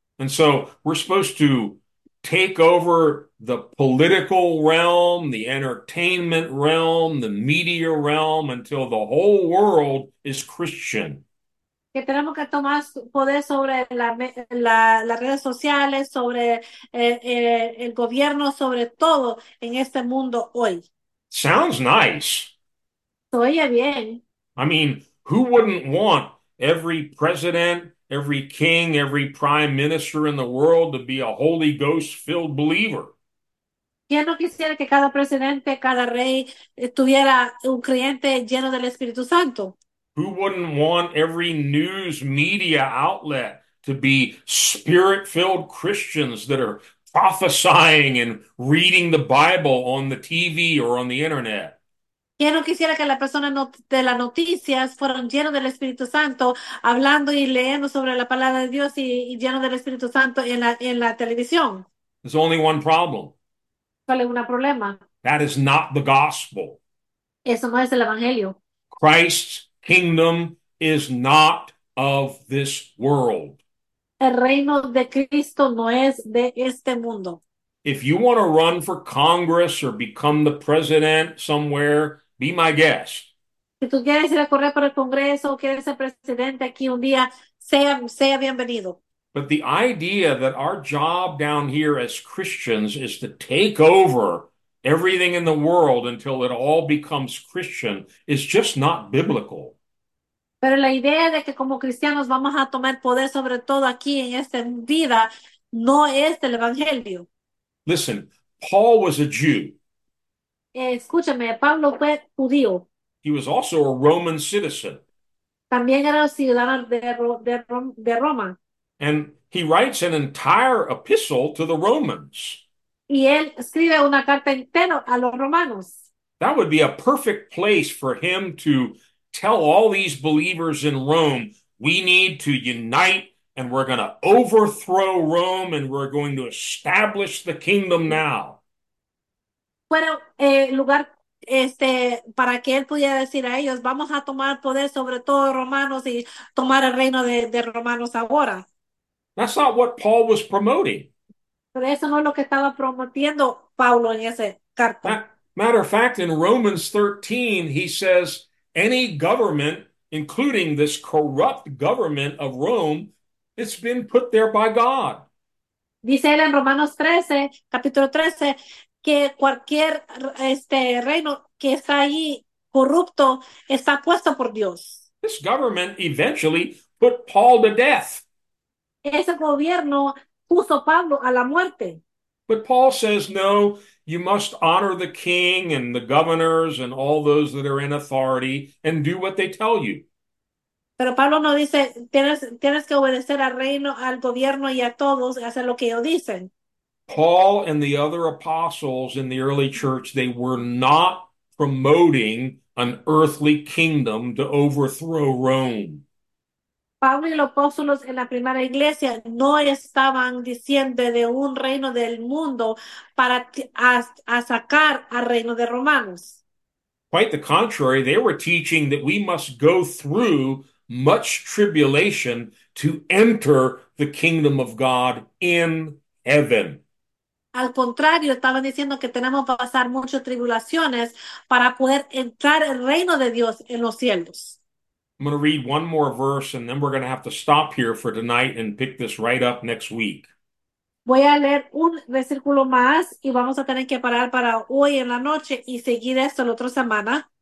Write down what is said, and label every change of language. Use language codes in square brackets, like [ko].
[en] And so we're supposed to take over the political realm, the entertainment realm, the media realm, until the whole world is Christian. [es] Que tenemos que tomar poder sobre las redes sociales, sobre el gobierno, sobre todo en este mundo hoy. [en] Sounds nice. [es] Oye bien. [en] I mean, who wouldn't want every president, every king, every prime minister in the world to be a Holy Ghost-filled believer? [es] ¿Quién no quisiera que cada presidente, cada rey tuviera un creyente lleno del Espíritu Santo? [en] Who wouldn't want every news media outlet to be spirit-filled Christians that are prophesying and reading the Bible on the TV or on the internet? [es] ¿Quién no quisiera que la persona no, de las noticias fueran llenos del Espíritu Santo, hablando y leyendo sobre la palabra de Dios y lleno del Espíritu Santo en la televisión? [en] There's only one problem. [es] ¿Cuál es un problema? [en] That is not the gospel. [es] Eso no es el Evangelio. [en] Christ's kingdom is not of this world. [es] El reino de Cristo no es de este mundo. [en] If you want to run for Congress or become the president somewhere, be my guest. [es] Si tú quieres ir a correr por el Congreso o quieres ser presidente aquí un día, sea bienvenido. [en] But the idea that our job down here as Christians is to take over everything in the world until it all becomes Christian is just not biblical. [es] Pero la idea de que como cristianos vamos a tomar poder sobre todo aquí en esta vida no es el Evangelio. [en] Listen, Paul was a Jew. [es] Escúchame, Pablo fue judío. [en] He was also a Roman citizen. [es] También era ciudadano de Roma. [en] And he writes an entire epistle to the Romans. [es] Y él escribe una carta entera a los romanos. [en] That would be a perfect place for him to tell all these believers in Rome, we need to unite and we're going to overthrow Rome and we're going to establish the kingdom now. [es] Bueno, lugar. Para que él pudiera decir a ellos, vamos a tomar poder sobre todo romanos y tomar el reino de romanos ahora. [en] That's not what Paul was promoting. [es] Pero eso no es lo que estaba prometiendo Pablo en esa carta. [en] Matter of fact, in Romans 13, he says any government, including this corrupt government of Rome, it's been put there by God. [es] Dice él en Romanos 13, capítulo 13, que cualquier reino que está ahí corrupto está puesto por Dios. [en] This government eventually put Paul to death. [es] Ese gobierno puso Pablo a la muerte. [en] But Paul says, no, You must honor the king and the governors and all those that are in authority and do what they tell you. [es] Pero Pablo no dice, tienes que obedecer al reino, al gobierno y a todos, hacer lo que ellos dicen. [en] Paul and the other apostles in the early church, they were not promoting an earthly kingdom to overthrow Rome. [es] Pablo y los apóstoles en la primera iglesia no estaban diciendo de un reino del mundo para a sacar al reino de romanos. [en] Quite the contrary, they were teaching that we must go through much tribulation to enter the kingdom of God in heaven. [es] Al contrario, estaban diciendo que tenemos que pasar muchas tribulaciones para poder entrar el reino de Dios en los cielos. [en] I'm going to read one more verse and then we're going to have to stop here for tonight and pick this right up next week. [es] Voy a leer un versículo más y vamos a tener que parar para hoy en la noche y seguir esto la otra semana.